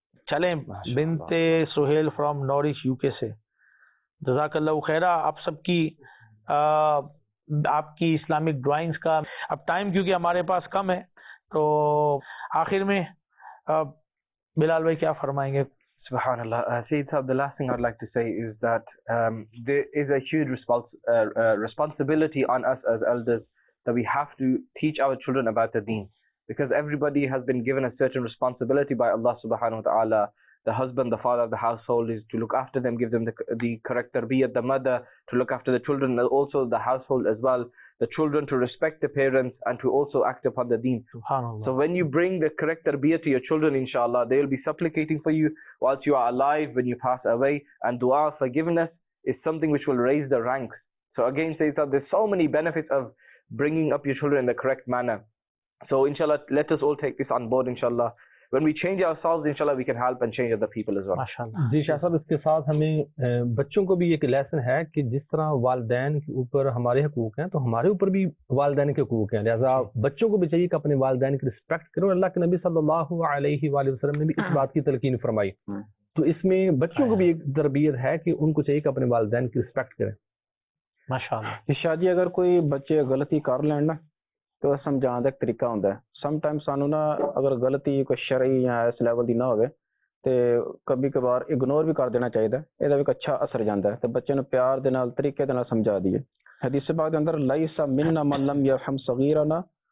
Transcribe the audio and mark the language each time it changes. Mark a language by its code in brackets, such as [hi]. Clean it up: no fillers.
[ur] چلیں بنت Sohail from نورچ you کے سے, جزاک اللہ خیرہ آپ سب کی, آپ کی اسلامک ڈرائنگز کا. اب ٹائم کیونکہ ہمارے پاس کم ہے تو آخر میں بلال بھائی کیا فرمائیں گے. سبحان اللہ. [en] Syed sahab, the last thing I'd like to say is that there is a huge responsibility on us as elders that we have to teach our children about the deen, because everybody has been given a certain responsibility by Allah subhanahu wa ta'ala. The husband, the father of the household is to look after them, give them the correct tarbiyah, the mother to look after the children, and also the household as well, the children to respect the parents and to also act upon the deen. Subhanallah. So when you bring the correct tarbiyah to your children, inshallah, they will be supplicating for you whilst you are alive when you pass away, and dua of forgiveness is something which will raise the ranks. So again, Sayyid Sahib, there's so many benefits of bringing up your children in the correct manner. So inshallah, let us all take this on board, inshallah. When we change ourselves, inshallah, we can help and change other people as well. MashaAllah. [ur] جی شاہ صاحب, اس کے ساتھ ہمیں بچوں کو بھی ایک lesson ہے کہ جس طرح والدین کے اوپر ہمارے حقوق ہیں تو ہمارے اوپر بھی والدین کے حقوق ہیں, لہٰذا بچوں کو بھی چاہیے کہ اپنے والدین کی رسپیکٹ کرو. اللہ کے نبی صلی اللہ علیہ وآلہ وسلم نے بھی اس بات کی تلقین فرمائی, تو اس میں بچوں کو بھی ایک تربیت ہے کہ ان کو چاہیے کہ اپنے والدین کی رسپیکٹ کریں. ماشاءاللہ. شادی اگر کوئی بچے غلطی کر لیں نا, [pa] ਤੇ ਉਹ ਸਮਝਾਉਣ ਦਾ ਇੱਕ ਤਰੀਕਾ ਹੁੰਦਾ ਸਮ ਟਾਈਮ ਸਾਨੂੰ ਨਾ ਅਗਰ ਗਲਤੀ ਕੋਈ ਸ਼ਰਈ ਜਾਂ ਇਸ ਲੈਵਲ ਦੀ ਨਾ ਹੋਵੇ ਤੇ ਕਭੀ ਕਭਾਰ ਇਗਨੋਰ ਵੀ ਕਰ ਦੇਣਾ ਚਾਹੀਦਾ ਇਹਦਾ ਵੀ ਇੱਕ ਅੱਛਾ ਅਸਰ ਜਾਂਦਾ ਤੇ ਬੱਚੇ ਨੂੰ ਪਿਆਰ ਦੇ ਨਾਲ ਤਰੀਕੇ ਦੇ ਨਾਲ ਸਮਝਾ ਦਈਏ ਹਦੀਸ ਬਾਗ ਦੇ ਅੰਦਰ [ar] ਲੈਸਾ ਮਿੰਨਾ ਮਲਮ ਯਰਹਮ ਸਗੀਰਨਾ